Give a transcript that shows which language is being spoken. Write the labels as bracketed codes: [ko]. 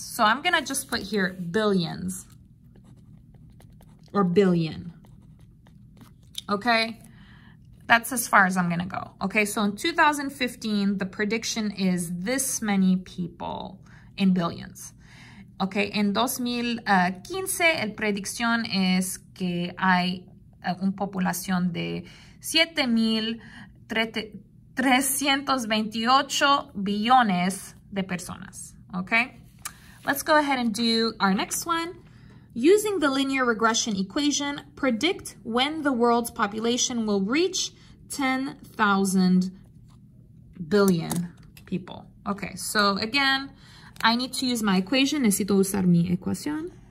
[en] So I'm going to just put here billions or billion. Okay? That's as far as I'm going to go. Okay? So in 2015, the prediction is this many people in billions. Okay? [es] En 2015, el predicción es que hay un población de 7,328 billones de personas, okay? [en] Let's go ahead and do our next one. Using the linear regression equation, predict when the world's population will reach 10,000 billion people. Okay, so again, I need to use my equation. [es] Necesito usar mi ecuación.